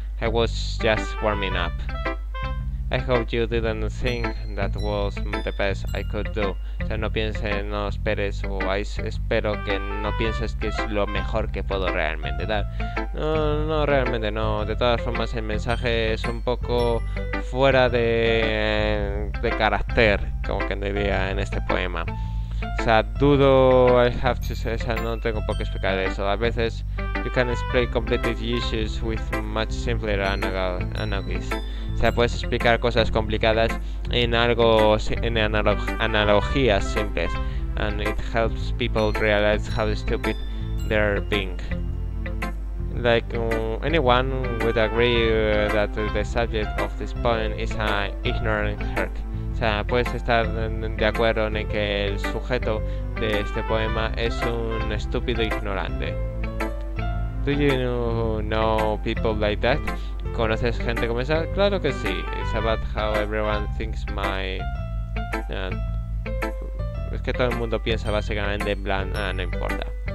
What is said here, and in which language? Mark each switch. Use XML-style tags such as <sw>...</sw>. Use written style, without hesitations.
<en>I was just warming up. I hope you didn't think that was the best I could do.</en> <es>sea, no pienses, no esperes, espero que no pienses que es lo mejor que puedo realmente dar. No, no, realmente no. De todas formas, el mensaje es un poco fuera de carácter, como que diría en este poema. O sea, dudo,</es> <en>I have to say,</en> <es>o sea, no tengo por qué explicar eso. A veces,</es> <en>you can explain complicated issues with much simpler analogies.</en> <es>O sea, puedes explicar cosas complicadas en algo, en analogías simples.</es> <en>And it helps people realize how stupid they're being. Like, anyone would agree that the subject of this poem is an ignorant jerk.</en> <es>O sea, puedes estar de acuerdo en que el sujeto de este poema es un estúpido ignorante.</es> <en>Do you know people like that?</en> <es>¿Conoces gente como esa? Claro que sí.</es> <en>It's about how everyone thinks</en> <es>es que todo el mundo piensa básicamente en plan, no importa.</es>